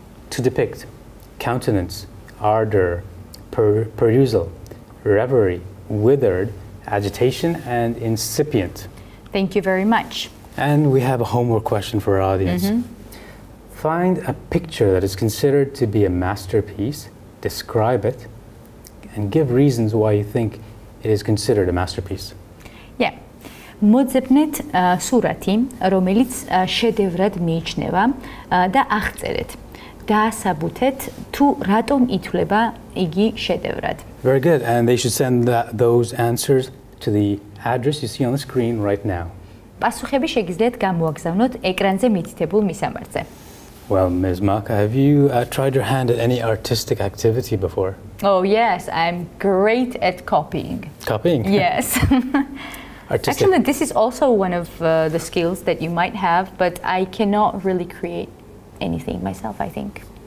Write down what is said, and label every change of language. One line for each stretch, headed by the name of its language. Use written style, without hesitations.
English: To depict, countenance, ardor, perusal, reverie, withered, agitation, and incipient. Thank you very much. And we have a homework question for our audience. Mm-hmm. Find a picture that is considered to be a masterpiece, describe it, and give reasons why you think it is considered a masterpiece. Yeah.
Georgian: მოძებნეთ სურათი, რომელიც შედევრად მიიჩნევა და აღწერეთ. დაასაბუთეთ თუ რატომ ითვლება იგი შედევრად.
English: Very good. And they should send those answers to the address you see on the screen right now.
Georgian: პასუხები შეგიძლიათ გამოაგზავნოთ ეკრანზე მითითებულ მისამართზე.
English: Well, Ms. Mark, have you tried your hand at any artistic activity before? Oh, yes. I'm great at copying. Copying? Yes. Artistic. Actually, this is also one of the skills that you might have, but I cannot really create anything myself, I think.